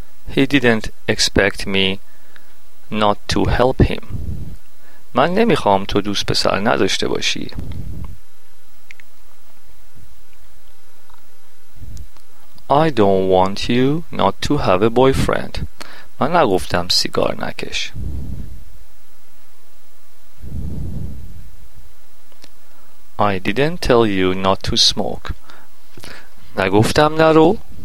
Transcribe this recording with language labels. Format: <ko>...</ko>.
<en>He didn't expect me not to help him.</en> <fa>من نمیخوام تو دوست پسر نداشته باشی.</fa> <en>I don't want you not to have a boyfriend.</en> <fa>من نگفتم سیگار نکش.</fa> <en>I didn't tell you not to smoke.</en> <fa>نگفتم نرو.</fa>